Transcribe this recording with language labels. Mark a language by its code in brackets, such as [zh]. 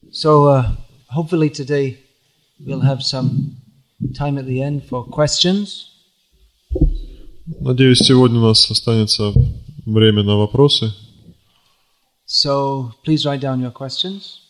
[en] So hopefully today we'll have some time at the end for questions. [ru] Надеюсь, сегодня у нас останется время на вопросы. [en] So please write down your questions.